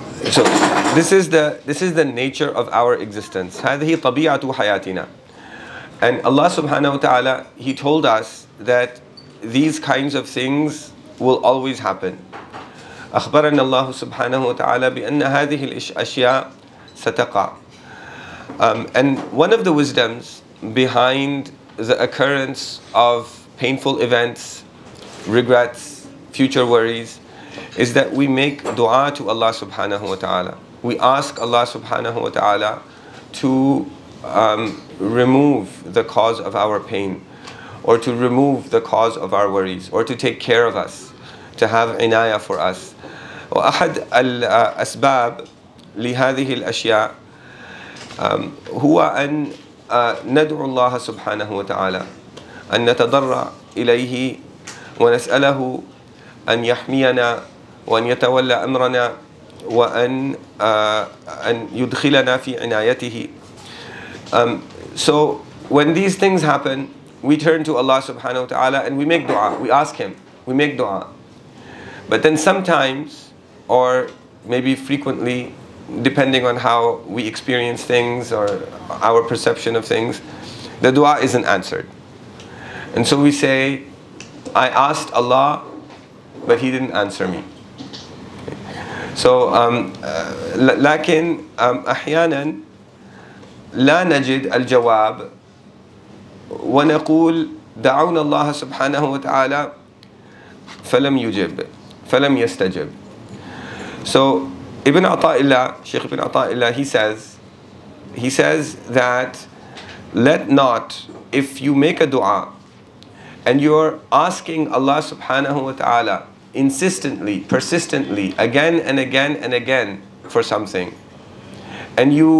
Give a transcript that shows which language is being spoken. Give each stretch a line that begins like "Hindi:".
English: So this is the nature of our existence.
Arabic: هذه طبيعة حياتنا.
English: And Allah subhanahu wa ta'ala, He told us that these kinds of things will always happen.
Arabic: أخبرنا الله سبحانه وتعالى بأن هذه الأشياء ستقع.
English: And one of the wisdoms behind the occurrence of painful events, regrets, future worries, is that we make dua to Allah subhanahu wa ta'ala. We ask Allah subhanahu wa ta'ala to remove the cause of our pain, or to remove the cause of our worries, or to take care of us, to have inayah for us.
Arabic: وأحد الأسباب لهذه الأشياء هو أن ندعو الله سبحانه وتعالى أن نتضرع إليه ونسأله أن يحمينا وأن يتولى أمرنا وأن أن يدخلنا في عنايته.
English: So when these things happen, we turn to Allah subhanahu wa ta'ala and we make dua, we ask Him, we make dua. But then sometimes, or maybe frequently, depending on how we experience things or our perception of things, the dua isn't answered. And so we say, I asked Allah, but He didn't answer me. So,
Arabic: لكن أحيانا لا نجد الجواب ونقول دعونا الله سبحانه وتعالى فلم يجب فلم يستجب.
English: So Ibn Ata'illah, Sheikh Ibn Ata'illah, he says that let not, if you make a dua and you're asking Allah subhanahu wa ta'ala insistently, persistently, again and again and again for something, and